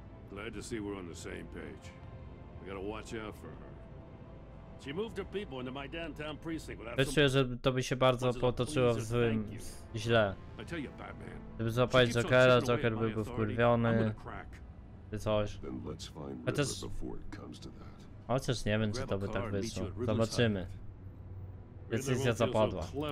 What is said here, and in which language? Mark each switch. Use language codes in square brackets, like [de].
[en] Glad to see we're on the same page. We gotta watch out for her. She moved her people into my downtown precinct without some... [pl] Wiesz, że to by się bardzo potoczyło w złym... źle. [en] I tell you, Batman. [pl] Gdyby złapać Jokera, Joker by był wkurwiony. Czy coś. [en] Then let's find Riddler before it comes to that. [pl] Chociaż nie wiem, czy to by tak wyszło. Zobaczymy. Decyzja zapadła.